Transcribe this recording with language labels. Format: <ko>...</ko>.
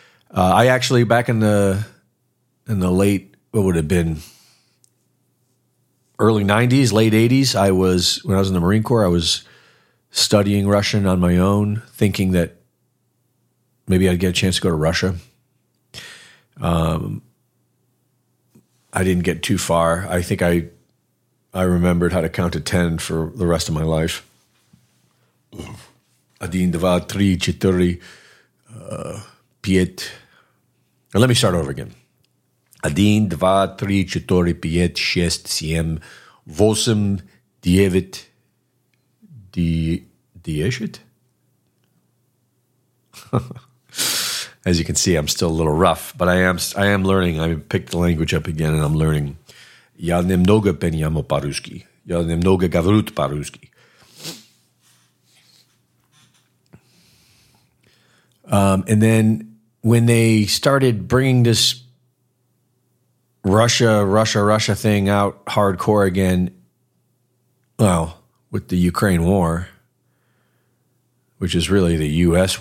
<en>I actually, back in the late, what would it have been, early 90s, late 80s, when I was in the Marine Corps, I was studying Russian on my own, thinking that maybe I'd get a chance to go to Russia. I didn't get too far. I think I remembered how to count to 10 for the rest of my life.</en> <ru>Один, два, три, четыре, пять.</ru> <en>Let me start over again.</en> <ru>Один, два, три, четыре, пять, шесть, семь, восемь, девять, десять.</ru> <en>As you can see, I'm still a little rough, but I am learning. I picked the language up again, and I'm learning.</en> <ru>Я немного понимаю по-русски. Я немного говорю по-русски.</ru> <en>And then when they started bringing this Russia thing out hardcore again, well, with the Ukraine war, which is really the U.S.</en>